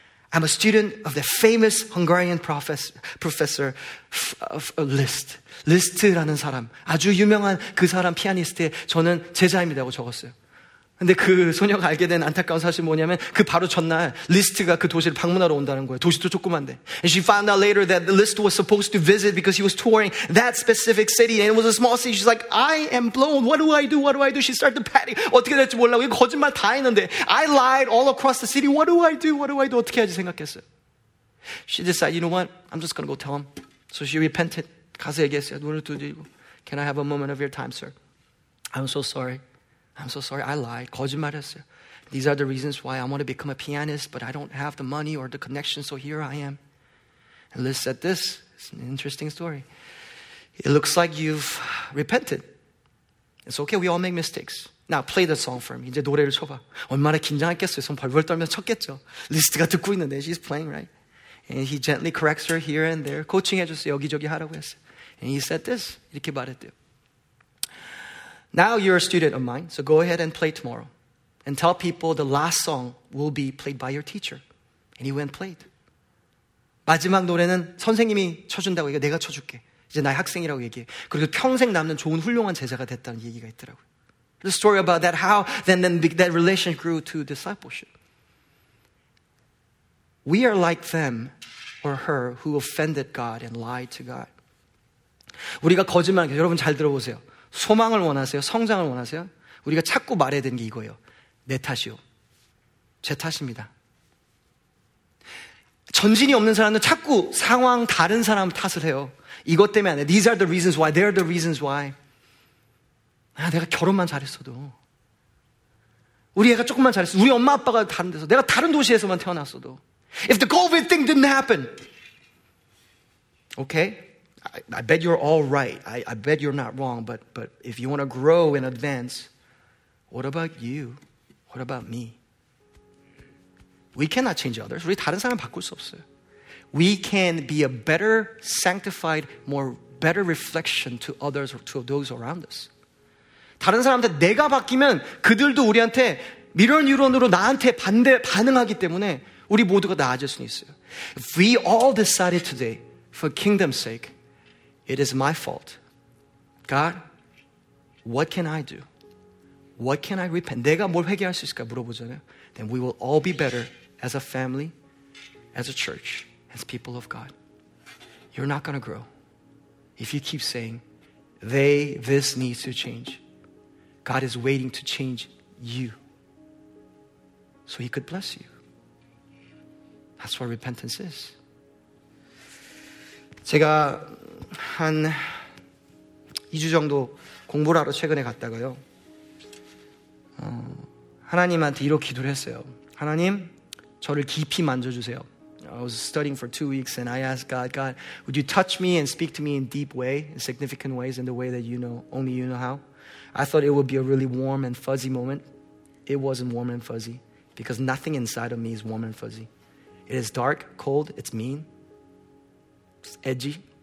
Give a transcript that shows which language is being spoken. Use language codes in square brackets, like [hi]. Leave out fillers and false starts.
[en] I'm a student of the famous Hungarian professor of Liszt. [ko] Liszt라는 사람. 아주 유명한 그 사람 피아니스트의 저는 제자입니다고 적었어요. 근데 그 소녀가 알게 된 안타까운 사실 뭐냐면 그 바로 전날 리스트가 그 도시를 방문하러 온다는 거예요. 도시도 조그만데. [en] And she found out later that the list was supposed to visit because he was touring that specific city and it was a small city. She's like, I am blown. What do I do? What do I do? She started to panic. [ko] 어떻게 될지 몰라고. 이거 거짓말 다 했는데. [en] I lied all across the city. What do I do? What do I do? [ko] 어떻게 하지 생각했어요. [en] She decided, you know what? I'm just gonna go tell him. So she repented. [ko] 가서 얘기했어요. 눈을 두드리고. [en] Can I have a moment of your time, sir? I'm so sorry. I lied. [ko] 거짓말했어요. [en] These are the reasons why I want to become a pianist, but I don't have the money or the connection, so here I am. And Liz said this. It's an interesting story. It looks like you've repented. It's okay. We all make mistakes. Now, play the song for me. [ko] 이제 노래를 쳐봐. 얼마나 긴장했겠어요. 손 벌벌 떨면서 쳤겠죠. 리스트가 듣고 있는데, [en] she's playing, right? And he gently corrects her here and there. [ko] 코칭해줬어요. 여기저기 하라고 했어요. [en] And he said this. [ko] 이렇게 말했대요. [en] Now you're a student of mine, so go ahead and play tomorrow. And tell people the last song will be played by your teacher. And he went and played. [ko] 마지막 노래는 선생님이 쳐준다고 얘기해. 내가 쳐줄게. 이제 나의 학생이라고 얘기해. 그리고 평생 남는 좋은 훌륭한 제자가 됐다는 얘기가 있더라고요. [en] The story about that, how then that relationship grew to discipleship. We are like them or her who offended God and lied to God. [ko] 우리가 거짓말하는 게, 여러분 잘 들어보세요. 소망을 원하세요? 성장을 원하세요? 우리가 자꾸 말해야 되는 게 이거예요. 내 탓이요. 제 탓입니다. 전진이 없는 사람은 자꾸 상황 다른 사람 탓을 해요. 이것 때문에 안 해. [en] These are the reasons why. They are the reasons why. [ko] 내가 결혼만 잘했어도. 우리 애가 조금만 잘했어도. 우리 엄마 아빠가 다른 데서. 내가 다른 도시에서만 태어났어도. [en] If the COVID thing didn't happen. Okay? I bet you're all right. I bet you're not wrong. But if you want to grow in advance, what about you? What about me? We cannot change others. [ko] 우리 다른 사람 바꿀 수 없어요. [en] We can be a better, sanctified, more better reflection to others or to those around us. [ko] 다른 사람한테 내가 바뀌면 그들도 우리한테 미러 뉴런으로 나한테 반대 반응하기 때문에 우리 모두가 나아질 수 있어요. [en] If we all decided today for kingdom's sake, it is my fault. God, what can I do? What can I repent? [ko] 내가 뭘 회개할 수 있을까 물어보잖아요. [en] Then we will all be better as a family, as a church, as people of God. You're not going to grow if you keep saying, this needs to change. God is waiting to change you so he could bless you. That's what repentance is. [ko] 제가 한 2주 정도 공부를 하러 최근에 갔다가요 하나님한테 이렇게 기도를 했어요 하나님 저를 깊이 만져주세요 [en] I was studying for 2 weeks and I asked God God would you touch me and speak to me in deep way in significant ways in the way that you know only you know how I thought it would be a really warm and fuzzy moment it wasn't warm and fuzzy because nothing inside of me is warm and fuzzy it is dark, cold, it's mean it's edgy